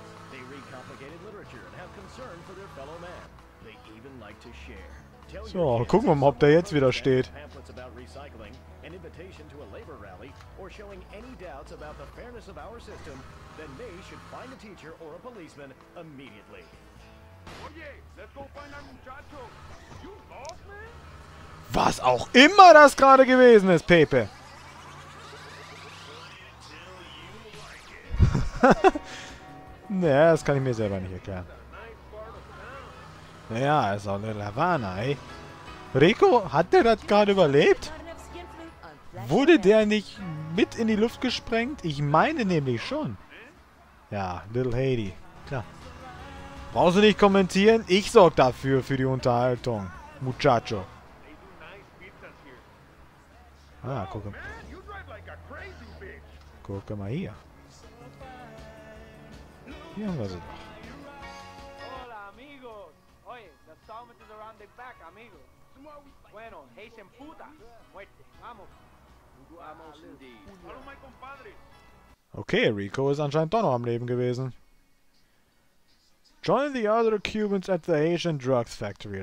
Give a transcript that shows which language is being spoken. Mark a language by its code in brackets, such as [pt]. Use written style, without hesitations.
[en] They read complicated literature and have concern for their fellow man. They even like to share. [de] So, gucken wir mal, ob der jetzt wieder steht. [en] Pamphlets about recycling, an invitation to a labor rally, or showing any doubts about the fairness of our system, then they should find a teacher or a policeman immediately. [es] Oye, [en] let's go find a muchacho. You lost me? [de] Was auch immer das gerade gewesen ist, Pepe. Naja, das kann ich mir selber nicht erklären. Ja, ist auch eine Havana, ey. Rico, hat der das gerade überlebt? Wurde der nicht mit in die Luft gesprengt? Ich meine nämlich schon. Ja, Little Haiti, klar. Brauchst du nicht kommentieren? Ich sorge dafür, für die Unterhaltung. Muchacho. Ah, guck mal. Guck mal hier. Hier haben wir sie doch. [es] Hola, amigos. Oye, [en] the summit is around the back, amigos. [es] Bueno, Haitian puta. Muerte, vamos. Vamos, [en] indeed. [de] Hallo, mein Compadre. Okay, Rico ist anscheinend doch noch am Leben gewesen. [en] Join the other Cubans at the Haitian Drugs Factory.